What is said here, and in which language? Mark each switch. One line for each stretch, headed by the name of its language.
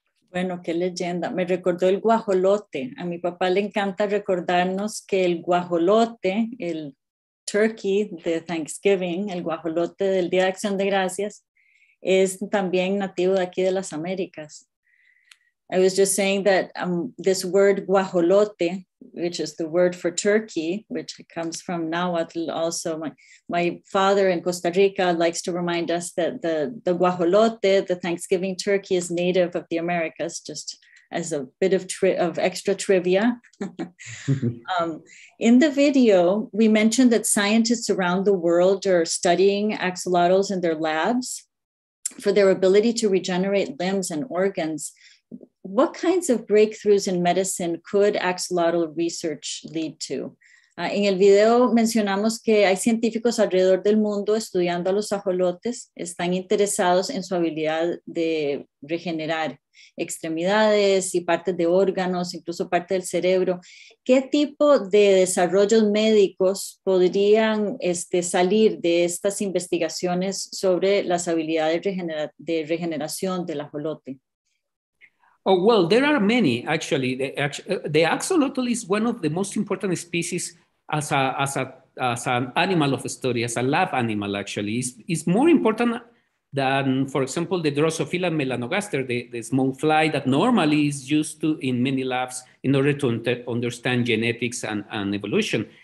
Spanish: Bueno, qué leyenda. Me recordó el guajolote. A mi papá le encanta recordarnos que el guajolote, el turkey de Thanksgiving, el guajolote del Día de Acción de Gracias, es también nativo de aquí de las Américas.
English: I was just saying that this word guajolote, which is the word for turkey, which comes from Nahuatl also. My father in Costa Rica likes to remind us that the guajolote, the Thanksgiving turkey, is native of the Americas, just as a bit of extra trivia. In the video, we mentioned that scientists around the world are studying axolotls in their labs for their ability to regenerate limbs and organs. What kinds of breakthroughs in medicine could axolotl research lead to?
Spanish: En el video mencionamos que hay científicos alrededor del mundo estudiando a los ajolotes, están interesados en su habilidad de regenerar extremidades y partes de órganos, incluso parte del cerebro. ¿Qué tipo de desarrollos médicos podrían salir de estas investigaciones sobre las habilidades de regeneración del ajolote?
English: Oh, well, there are many, actually. The axolotl is one of the most important species as an animal of study, as a lab animal, actually. It's more important than, for example, the Drosophila melanogaster, the small fly that normally is used to in many labs in order to understand genetics and evolution.